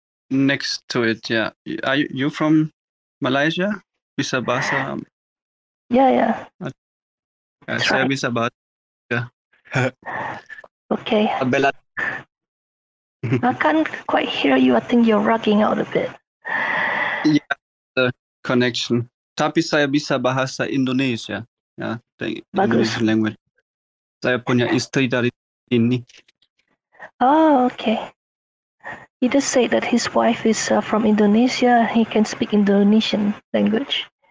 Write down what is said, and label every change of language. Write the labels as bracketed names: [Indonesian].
[English] Next to it, yeah. Are you from Malaysia? [Indonesian] Bisa Bahasa? [English] Yeah. [Indonesian] Saya bisa bahasa. [English] Okay. Bella. I can't quite hear you. I think you're rugging out a bit. Yeah, the connection. [Indonesian] Tapi saya bisa bahasa Indonesia. [English] Yeah, the English language. [Indonesian] Saya punya istri dari sini. [English] Oh, okay. He just said that his wife is from Indonesia. He can speak Indonesian language.